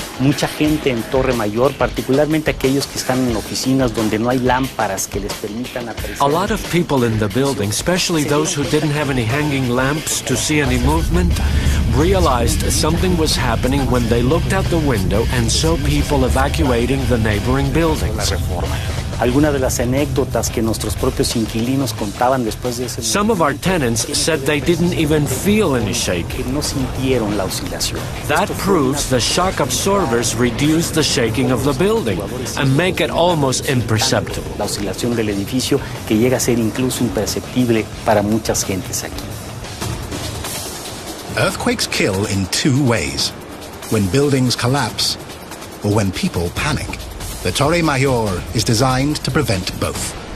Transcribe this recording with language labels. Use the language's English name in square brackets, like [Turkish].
[Spanish] Mucha gente en Torre Mayor, particularmente aquellos que están en oficinas donde no hay lámparas que les permitan apreciar. [English] A lot of people in the building, especially those who didn't have any hanging lamps to see any movement, realized something was happening when they looked out the window and saw people evacuating the neighboring buildings. [Spanish] algunas de las anécdotas que nuestros propios inquilinos contaban después de ese. [English] Some of our tenants said they didn't even feel any shaking. [Spanish] No sintieron la oscilación. [English] That proves the shock absorbers reduce the shaking of the building and make it almost imperceptible. [Spanish] La oscilación del edificio que llega a ser incluso imperceptible para muchas gentes aquí. [English] Earthquakes kill in two ways: when buildings collapse or when people panic. The Torre Mayor is designed to prevent both.